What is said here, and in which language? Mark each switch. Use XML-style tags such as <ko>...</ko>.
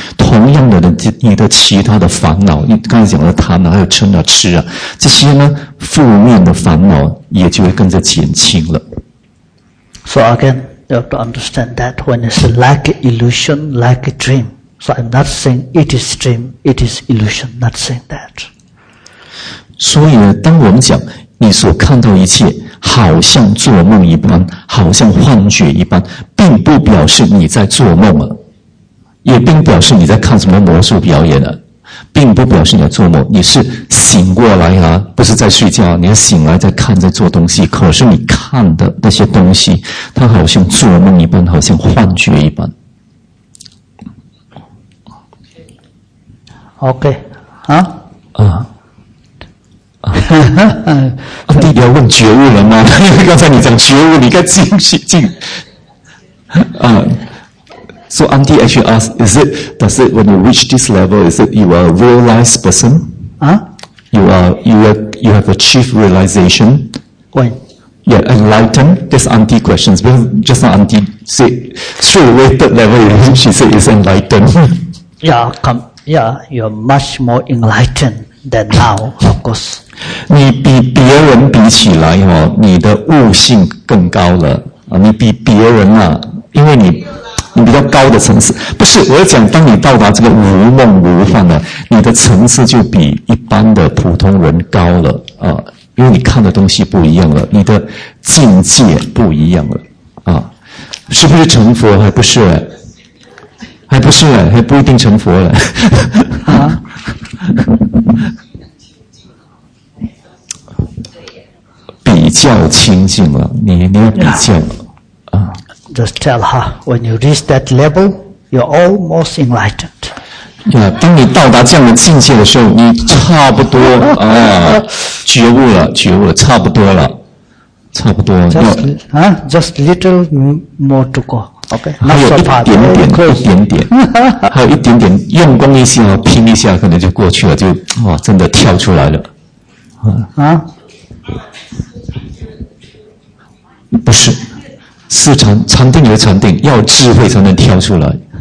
<zh>同样的，你的其他的烦恼，你刚才讲的贪啊，还有嗔啊、痴啊，这些呢，负面的烦恼也就会跟着减轻了。</zh> <en>So again, you have to understand that when it's like illusion, like a dream. So I'm not saying it is dream, it is illusion. Not saying that.</en> <zh>所以呢，当我们讲你所看到一切好像做梦一般，好像幻觉一般，并不表示你在做梦啊，也并表示你在看什么魔术表演啊，并不表示你在做梦，你是醒过来啊，不是在睡觉啊，你是醒来在看在做东西，可是你看的那些东西它好像做梦一般，好像幻觉一般。 OK 啊啊啊、弟弟要问觉悟了吗？刚才你讲觉悟，你该进去。</zh> <en>So Auntie actually asked, does it when you reach this level, is it you are a realized person? Huh? You have achieved realization? When? Yeah, enlightened. That's Auntie questions. But just now Auntie said straight away third level, she said it's enlightened. Yeah, you're much more enlightened than now, of course.</en> <zh>你比别人比起来、哦、你的悟性更高了、啊、你比别人啊，因为你你比较高的层次。不是，我要讲，当你到达这个无梦无幻呢，你的层次就比一般的普通人高了啊，因为你看的东西不一样了，你的境界不一样了啊，是不是成佛？还不是，还不是，还不一定成佛了。啊。比较清净了，你要比较了啊。</zh> <en>Just tell her, when you reach that level, you're almost enlightened.</en> <zh>Yeah, 当你到达这样的境界的时候，你差不多啊，觉悟了，觉悟了，差不多了，差不多了。</zh> <en>Just little more to go. Okay,</en> <zh>还有一点点，一点点，还有一点点，用功一下，拼一下，可能就过去了，就哇，真的跳出来了，不是，是禅定和禅定要智慧才能挑出来。</zh>